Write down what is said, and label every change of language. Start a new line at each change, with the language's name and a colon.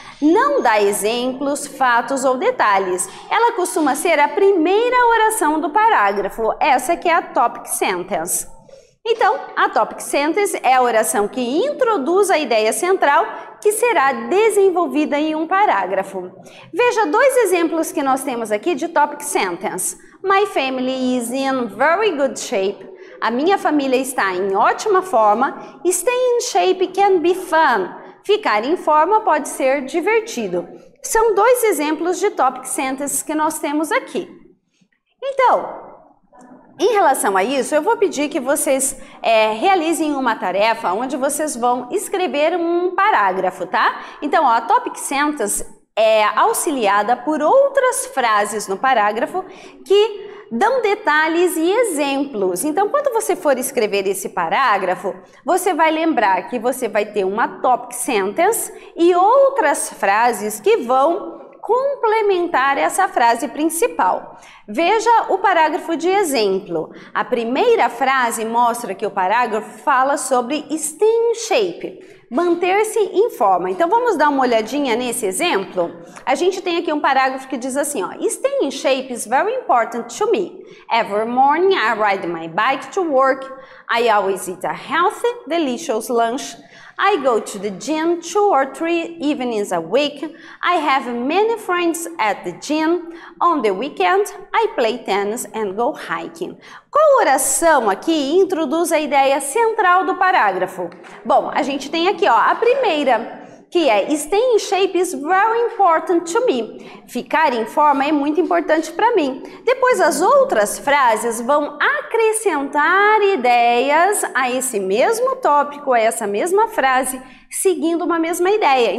Portuguese: Não dá exemplos, fatos ou detalhes. Ela costuma ser a primeira oração do parágrafo. Essa que é a topic sentence. Então, a topic sentence é a oração que introduz a ideia central que será desenvolvida em um parágrafo. Veja dois exemplos que nós temos aqui de topic sentence.
English: My family is in very good shape.
Portuguese: A minha família está em ótima forma.
English: Stay in shape can be fun.
Portuguese: Ficar em forma pode ser divertido. São dois exemplos de topic sentences que nós temos aqui. Então, em relação a isso, eu vou pedir que vocês realizem uma tarefa onde vocês vão escrever um parágrafo, tá? Então, a topic sentence é auxiliada por outras frases no parágrafo que dão detalhes e exemplos. Então, quando você for escrever esse parágrafo, você vai lembrar que você vai ter uma topic sentence e outras frases que vão complementar essa frase principal. Veja o parágrafo de exemplo. A primeira frase mostra que o parágrafo fala sobre stay in shape, manter-se em forma. Então vamos dar uma olhadinha nesse exemplo. A gente tem aqui um parágrafo que diz assim, ó:
English: stay in shape is very important to me. Every morning I ride my bike to work. I always eat a healthy, delicious lunch. I go to the gym 2 or 3 evenings a week. I have many friends at the gym. On the weekend, I play tennis and go hiking.
Portuguese: Qual oração aqui introduz a ideia central do parágrafo? Bom, a gente tem aqui, ó, a primeira, que é
English: stay in shape is very important to me.
Portuguese: Ficar em forma é muito importante para mim. Depois as outras frases vão acrescentar ideias a esse mesmo tópico, a essa mesma frase, seguindo uma mesma ideia.